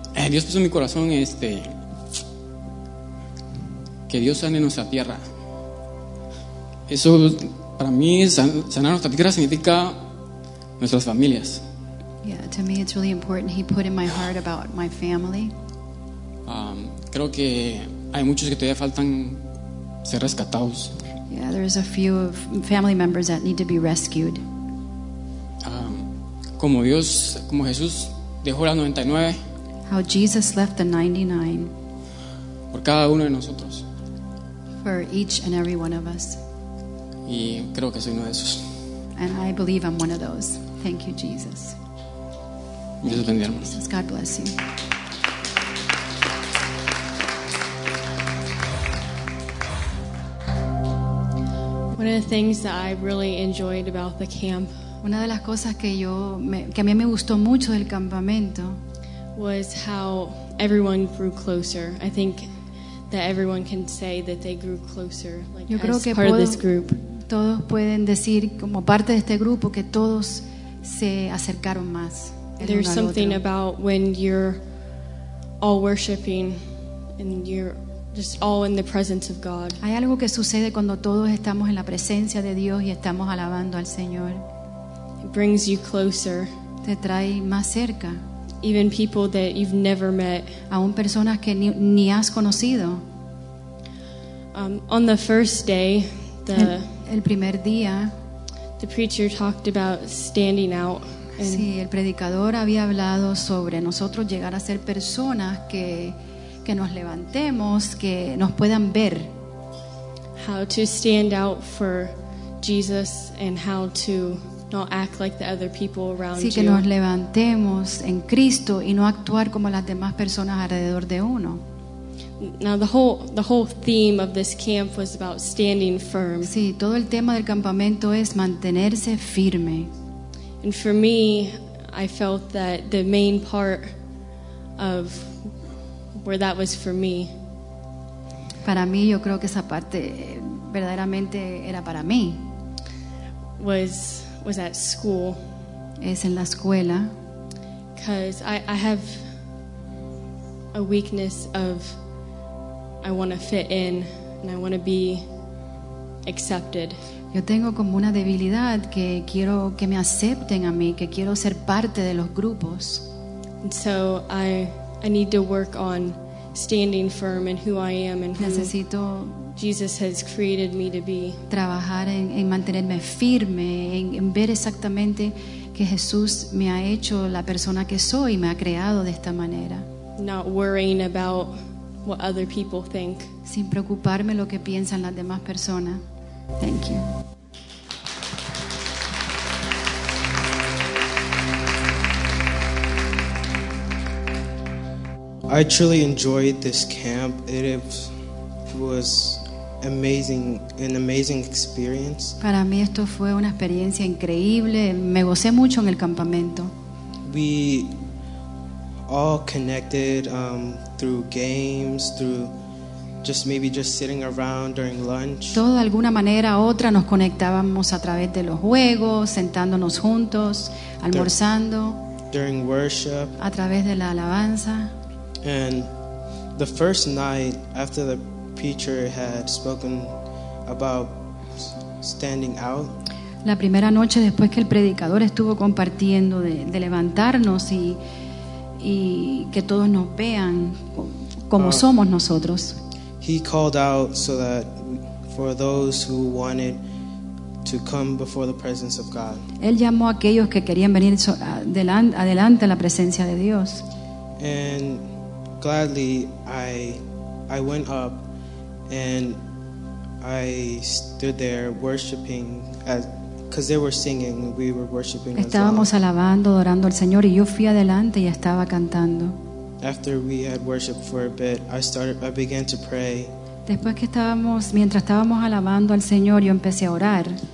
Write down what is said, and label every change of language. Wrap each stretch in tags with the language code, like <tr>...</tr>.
<es>Dios puso en mi corazón que Dios sane nuestra tierra. Eso para mí sanar nuestra tierra significa nuestras familias.</es> <en>Yeah, to me it's really important. He put in my heart about my family.</en> <es>Creo que Hay muchos que todavía faltan ser rescatados.</es> <en>Yeah, there's a few of family members that need to be rescued.</en> <es>Como Dios, como Jesús dejó las 99.</es> <en>How Jesus left the 99.</en> <es>Por cada uno de nosotros.</es> <en>For each and every one of us.</en> <es>Y creo que soy uno de esos.</es> <en>And I believe I'm one of those. Thank you, Jesus.</en> <es>Dios bendiga, hermanos.</es> <en>God bless you. One of the things that I really enjoyed about the camp,</en> <es>una de las cosas que yo que a mí me gustó mucho del campamento,</es> <en>was how everyone grew closer. I think that everyone can say that they grew closer, like</en> <es>yo creo</es> <en>as</en> <es>que</es> <en>part of this group.</en> <es>Todos pueden decir como parte de este grupo que todos se acercaron más.</es> <en>There's something about when you're all worshiping and you're just all in the presence of God.</en> <es>Hay algo que sucede cuando todos estamos en la presencia de Dios y estamos alabando al Señor.</es> <en>It brings you closer.</en> <es>Te trae más cerca.</es> <en>Even people that you've never met.</en> <es>Aún personas que ni has conocido.</es> <en>On the first day, the</en> <es>el primer día,</es> <en>the preacher talked about standing out.</en> <es>Sí, el predicador había hablado sobre nosotros llegar a ser personas que nos levantemos, que nos puedan ver.</es> <en>How to stand out for Jesus and how to not act like the other people around you.</en> <es>Sí, que nos levantemos en Cristo y no actuar como las demás personas alrededor de uno.</es> <en>Now the whole theme of this camp was about standing firm.</en> <es>Sí, todo el tema del campamento es mantenerse firme.</es> <en>And for me, I felt that the main part of where that was for me.</en> <es>Para mí, yo creo que esa parte verdaderamente era para mí.</es> <en>Was at school.</en> <es>Es en la escuela.</es> <en>Because I have a weakness of I want to fit in and I want to be accepted.</en> <es>Yo tengo como una debilidad que quiero que me acepten a mí, que quiero ser parte de los grupos.</es> <en>And so I need to work on standing firm in who I am and</en> <es>necesito</es> <en>who Jesus has created me to be.</en> <es>Trabajar en mantenerme firme, en ver exactamente que Jesús me ha hecho la persona que soy, me ha creado de esta manera.</es> <en>Not worrying about what other people think.</en> <es>Sin preocuparme lo que piensan las demás personas.</es> <en>Thank you. I truly enjoyed this camp. It was amazing, an amazing experience.</en> <es>Para mí esto fue una experiencia increíble. Me gocé mucho en el campamento.</es> <en>We all connected through games, through just maybe just sitting around during lunch.</en> <es>Todo de alguna manera otra nos conectábamos a través de los juegos, sentándonos juntos, almorzando.</es> <en>During worship.</en> <es>A través de la alabanza.</es> <en>And the first night after the preacher had spoken about standing out.</en> <es>La primera noche después que el predicador estuvo compartiendo de levantarnos y que todos nos vean como somos nosotros.</es> <en>He called out so that for those who wanted to come before the presence of God.</en> <es>Él llamó a aquellos que querían venir adelante a la presencia de Dios.</es> <en>And gladly I went up and I stood there worshiping because they were singing, we were worshiping.</en> <es>Estábamos</es> <en>as well.</en> <es>Alabando, adorando al Señor y yo fui adelante y estaba cantando.</es> <en>After we had worshiped for a bit, I began to pray.</en> <es>Después que estábamos, mientras estábamos alabando al Señor, yo empecé a orar.</es>